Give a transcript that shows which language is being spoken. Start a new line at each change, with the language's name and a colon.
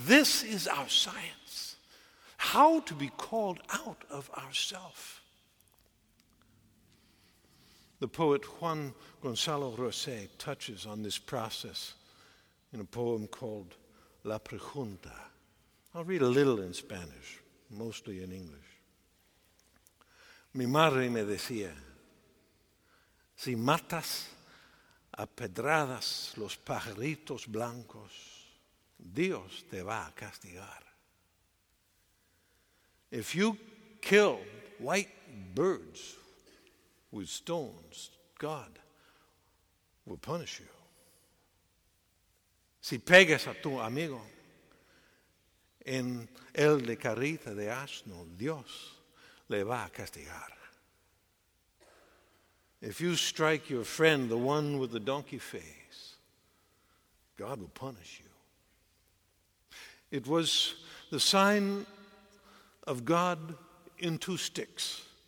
English: This is our science. How to be called out of ourself. The poet Juan Gonzalo Rosé touches on this process in a poem called La Pregunta. I'll read a little in Spanish, mostly in English.
Spanish: Mi madre me decía, si matas a pedradas los pajaritos blancos, Dios te va a castigar.
English: If you kill white birds with stones, God will punish you.
Spanish: Si pegas a tu amigo en el de carita de asno, Dios le va a castigar.
English: If you strike your friend, the one with the donkey face, God will punish you. It was the sign of God in two sticks.